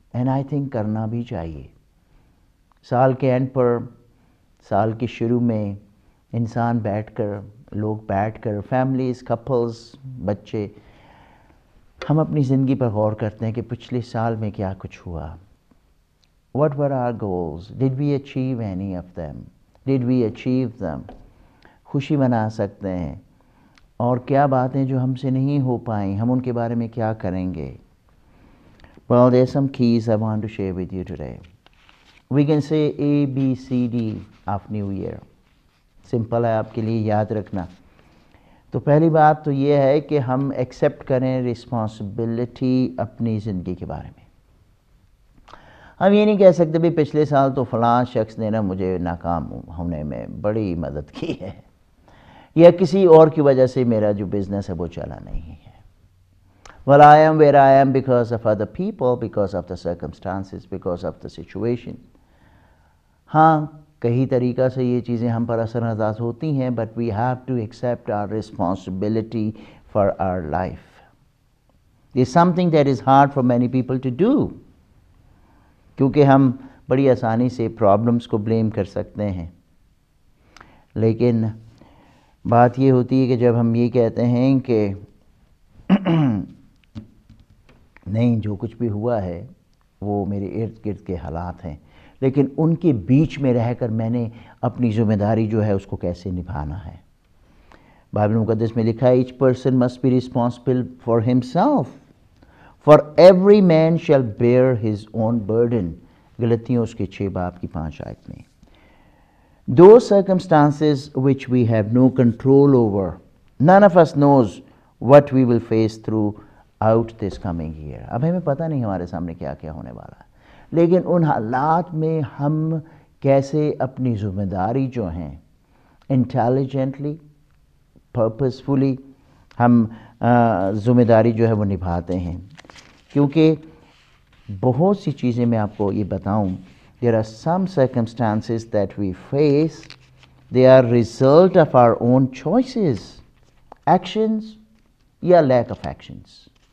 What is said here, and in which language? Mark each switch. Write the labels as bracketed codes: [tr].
[en] and I think [hi] करना भी चाहिए. साल के एंड पर, साल के शुरू में इंसान बैठकर, लोग बैठकर, फैमिलीज, कपल्स, बच्चे, हम अपनी ज़िंदगी पर गौर करते हैं कि पिछले साल में क्या कुछ हुआ. [en] What were our goals? Did we achieve any of them? Did we achieve them? [hi] खुशी मना सकते हैं. और क्या बातें जो हमसे नहीं हो पाई, हम उनके बारे में क्या करेंगे? [en] Well, there are some keys I want to share with you today. We can say A, B, C, D of New Year. Simple [hi] है आपके लिए याद रखना. तो पहली बात तो ये है कि हम accept करें responsibility अपनी ज़िंदगी के बारे में. हम ये नहीं कह सकते भी पिछले साल तो फलां शख्स ने ना मुझे नाकाम होने में बड़ी मदद की है, या किसी और की वजह से मेरा जो बिज़नेस है वो चला नहीं है. [en] Well, I am where I am because of other people, because of the circumstances, because of the situation. [hi] हाँ, कई तरीक़ा से ये चीज़ें हम पर असर अंदाज होती हैं, [en] but we have to accept our responsibility for our life. It's something that is hard for many people to do. [hi] क्योंकि हम बड़ी आसानी से प्रॉब्लम्स को ब्लेम कर सकते हैं. लेकिन बात ये होती है कि जब हम ये कहते हैं कि नहीं, जो कुछ भी हुआ है वो मेरे इर्द गिर्द के हालात हैं, लेकिन उनके बीच में रहकर मैंने अपनी ज़िम्मेदारी जो है उसको कैसे निभाना है. बाइबल मुकद्दस में लिखा है, [en] Each person must be responsible for himself, for every man shall bear his own burden. [hi] गलतियों उसके 6:5 में. [en] Those circumstances which we have no control over, none of us knows what we will face throughout this coming year. [hi] अब हमें पता नहीं हमारे सामने क्या क्या होने वाला है, लेकिन उन हालात में हम कैसे अपनी जिम्मेदारी जो हैं [en] intelligently, purposefully [hi] हम जिम्मेदारी जो है वो निभाते हैं. क्योंकि बहुत सी चीज़ें मैं आपको ये बताऊँ, [en] there are some circumstances that we face, they are result of our own choices, actions ya lack of actions.